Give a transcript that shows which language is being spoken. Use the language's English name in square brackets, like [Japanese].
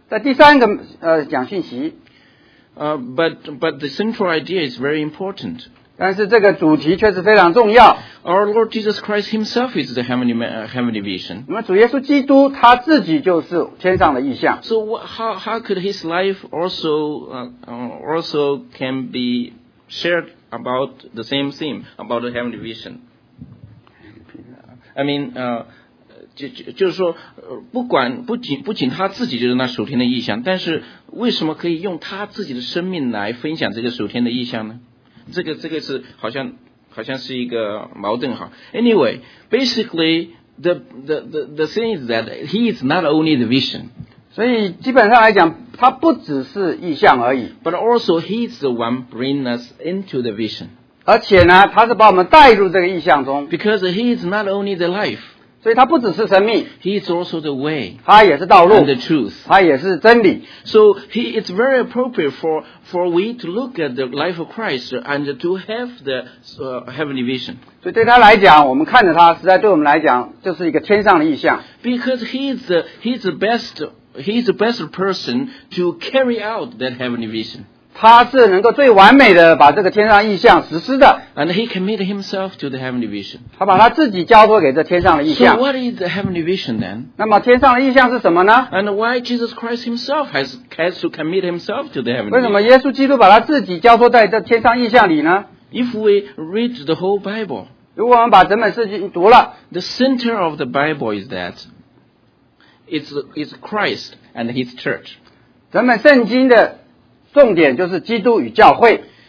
[Chinese] 事实上，江弟兄在讲的时候，他还没有时间讲完他所有的负担，在第三个讲讯息。 [English] But the central idea is very important. [Chinese] 但是这个主题确实非常重要。 [English] Our Lord Jesus Christ Himself is the heavenly vision. [Chinese] 那么主耶稣基督他自己就是天上的意象。 [English] So how could His life also can be shared about the same theme, about the heavenly vision? I mean, [Chinese] 就是说，不仅他自己就是那属天的意象，但是为什么可以用他自己的生命来分享这个属天的意象呢？这个是好像是一个矛盾哈。 [English] Anyway, basically the thing is that he is not only the vision. [Chinese] 所以基本上来讲，他不只是意象而已。 [English] But also he is the one bringing us into the vision. [Chinese] 而且呢，他是把我们带入这个意象中。 [English] Because he is not only the life. [Chinese] 所以他不只是生命, [English] he is also the way, [Chinese] 他也是道路, [English] and the truth, [Chinese] 他也是真理, [English] so it's very appropriate for we to look at the life of Christ and to have the heavenly vision. [Chinese] 所以对他来讲, 我们看着他, 实在对我们来讲, 就是一个天上的意象, [English] because he is the best person to carry out that heavenly vision. [Chinese] 他是能够最完美的把这个天上意象实施的。 [English] And he committed himself to the heavenly vision. [Chinese] 他把他自己交托给这天上的意象。 [English] So what is the heavenly vision then? [Chinese] 那么天上的意象是什么呢? [English] And why Jesus Christ himself has to commit himself to the heavenly vision? [Chinese] 为什么耶稣基督把他自己交托在这天上意象里呢? [English] If we read the whole Bible, [Chinese] 如果我们把整本圣经读了, [English] the center of the Bible is that it's Christ and his church. [Chinese] 整本圣经的 重点就是基督与教会。